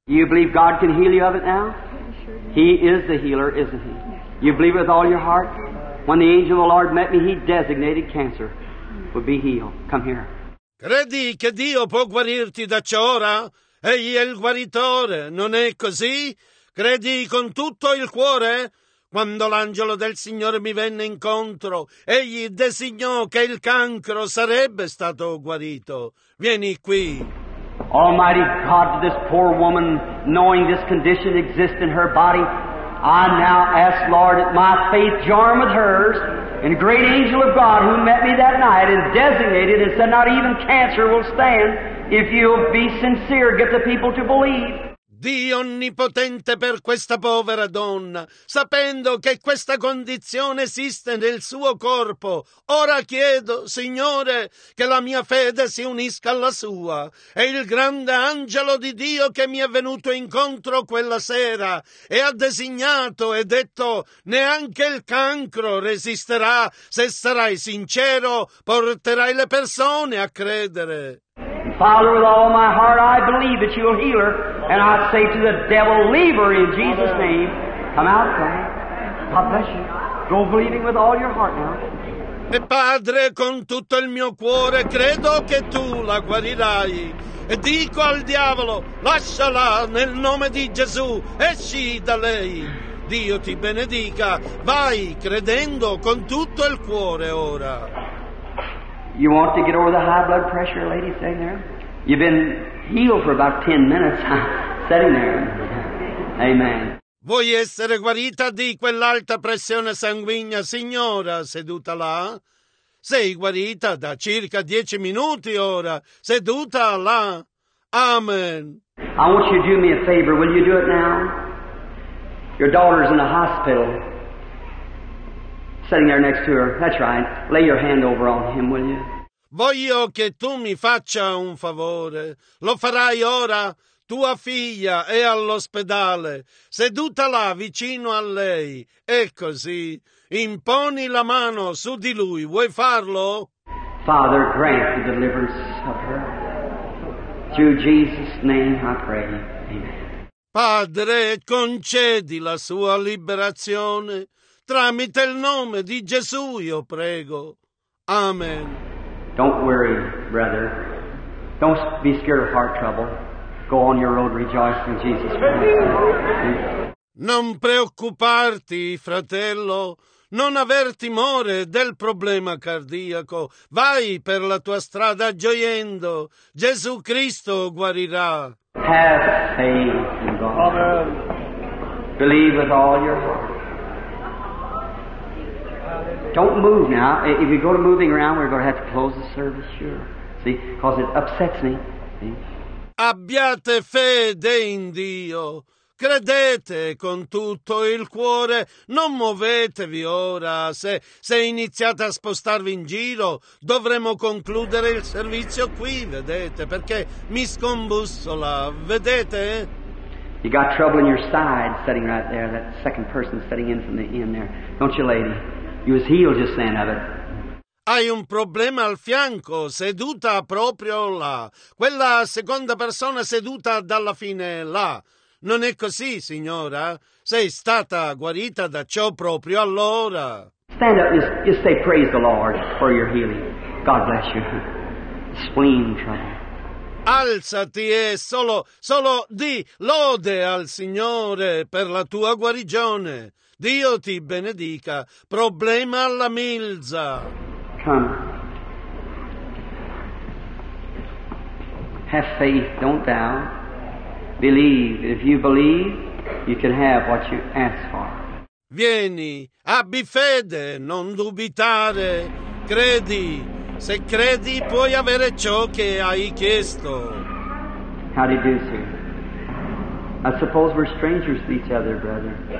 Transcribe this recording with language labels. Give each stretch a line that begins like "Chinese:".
English: You believe God can heal you of it now? He is the healer, isn't he? You believe with all your heart? When the angel of the Lord met me, he designated cancer. Would be healed. Come here.
Italian: Credi che Dio può guarirti da ciò ora? Egli è il guaritore, non è così? Credi con tutto il cuore? Quando l'angelo del Signore mi venne incontro, egli designò che il cancro sarebbe stato guarito. Vieni qui.
English: Almighty God, to this poor woman, knowing this condition exists in her body, I now ask, Lord, that my faith join with hers. And a great angel of God who met me that night and designated and said not even cancer will stand if you'll be sincere, get the people to believe.
Italian: Dio onnipotente per questa povera donna, sapendo che questa condizione esiste nel suo corpo, ora chiedo, Signore, che la mia fede si unisca alla sua. E il grande angelo di Dio che mi è venuto incontro quella sera e ha designato e detto, neanche il cancro resisterà, se sarai sincero, porterai le persone a credere.
English: Father, with all my heart, I believe that you will heal her. And I say to the devil, leave her in Jesus' name. Come out, come. God bless you. Go believing with all your heart now.
Italian: E padre, con tutto il mio cuore, credo che tu la guarirai. E dico al diavolo, lasciala nel nome di Gesù. Esci da lei. Dio ti benedica. Vai credendo con tutto il cuore ora.
English: You want to get over the high blood pressure, lady, sitting there? You've been healed for about 10 minutes, sitting there. Amen.
Italian: Vuoi essere guarita di quell'alta pressione sanguigna, signora, seduta là? Sei guarita da circa 10 minuti ora, seduta là. Amen.
English: I want you to do me a favor. Will you do it now? Your daughter's in the hospital. Sitting there next to her. That's right. Lay your hand over on him, will you?
Italian: Voglio che tu mi faccia un favore. Lo farai ora? Tua figlia è all'ospedale, seduta là vicino a lei. È così. Imponi la mano su di lui. Vuoi farlo?
English: Father, grant the deliverance of her. Through Jesus' name I pray. Amen.
Italian: Padre, concedi la sua liberazione. Tramite il nome di Gesù io prego. Amen.
English: Don't worry, brother. Don't be scared of heart trouble. Go on your road rejoicing in Jesus' name.
Italian: Non preoccuparti, fratello. Non aver timore del problema cardiaco. Vai per la tua strada gioiendo. Gesù Cristo guarirà.
English: Have faith in God. Amen. Believe with all your heart. Don't move now. If you go to moving around, we're going to have to close the service here. See, because it upsets me. See?
Italian: Abbiate fede in Dio. Credete con tutto il cuore, non muovetevi ora. Se iniziate a spostarvi in giro, dovremo concludere il servizio qui, vedete, perché mi scombussola, vedete?
English: You got trouble in your side, sitting right there, that second person sitting in from the end there. Don't you, lady? You was healed just then of it.
Italian: Hai un problema al fianco, seduta proprio là. Quella seconda persona seduta dalla fine là. Non è così, signora? Sei stata guarita da ciò proprio allora.
English: Stand up, just say praise the Lord for your healing. God bless you. Spleen trouble.
Italian: Alzati e solo di lode al Signore per la tua guarigione. Dio ti benedica. Problema alla milza.
English: Come. Have faith, don't doubt. Believe. If you believe, you can have what you ask for.
Italian: Vieni, abbi fede, non dubitare. Credi. Se credi, puoi avere ciò che hai chiesto.
English: How do you do, sir? I suppose we're strangers to each other, brother.